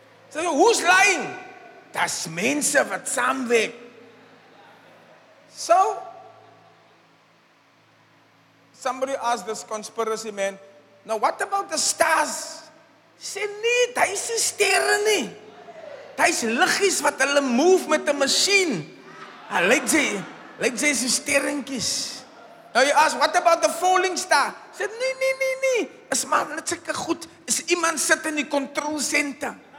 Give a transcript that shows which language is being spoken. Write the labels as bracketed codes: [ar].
[en] So who's lying? That's [af] mense wat saamwerk. [en] So, somebody asked this conspiracy man, now what about the stars? [af] Sê nie, daai is nie sterre nie. Daai is liggies wat hulle move met 'n machine. Hulle lyk jy is sterrentjies. [en] Now you ask, what about the falling star? [af] Sê nie. Is maar net sulke goed, is iemand sit in die control center.